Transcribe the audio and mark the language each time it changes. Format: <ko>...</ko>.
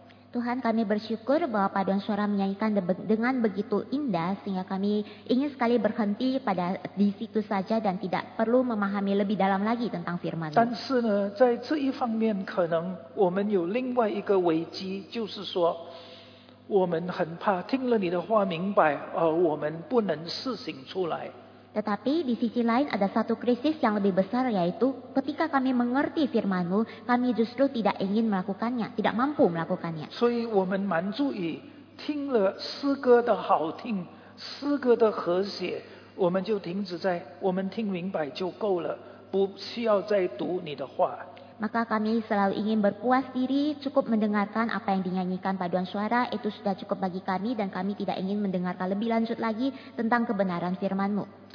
<id>Tuhan, kami bersyukur bahwa paduan suara menyanyikan dengan begitu indah sehingga kami ingin sekali berhenti pada di situ saja dan tidak perlu memahami lebih dalam lagi tentang firman.</id> <zh>但是呢，在这一方面，可能我们有另外一个危机，就是说。我们很怕听了你的话明白，而我们不能施行出来。</zh> <id>Tetapi di sisi lain ada satu krisis yang lebih besar yaitu ketika kami mengerti firman-Mu, kami justru tidak ingin melakukannya, tidak mampu melakukannya.</id> <zh>所以我们蛮注意听了诗歌的好听，诗歌的和谐，我们就停止在我们听明白就够了，不需要再读你的话。</zh> <id>Maka kami selalu ingin berpuas diri cukup mendengarkan apa yang dinyanyikan paduan suara itu sudah cukup bagi kami dan kami tidak ingin mendengarkan lebih lanjut lagi tentang kebenaran firman-Mu.</id>